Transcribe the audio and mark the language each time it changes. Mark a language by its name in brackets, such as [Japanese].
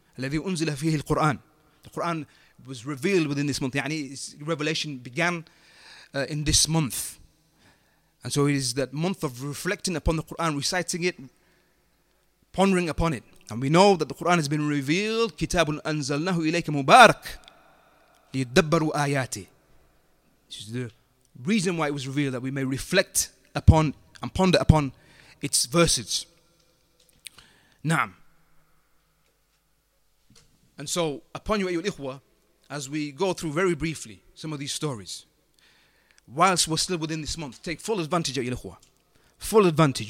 [Arabic] الذي أنزل فيه القرآن. [English] The Quran was revealed within this month. يعني its revelation began in this month. And so it is that month of reflecting upon the Quran, reciting it, pondering upon it. And we know that the Quran has been revealed. [Arabic] كتاب أنزلناه إليك مبارك لِيَدَّبَّرُوا آيَاتِ. [English] This is the reason why it was revealed, that we may reflect upon and ponder upon its verses. Naam. And so, upon you, [Arabic] ayyul ikhwa, [English] as we go through very briefly some of these stories, whilst we're still within this month, take full advantage, ayyul ikhwa. Full advantage.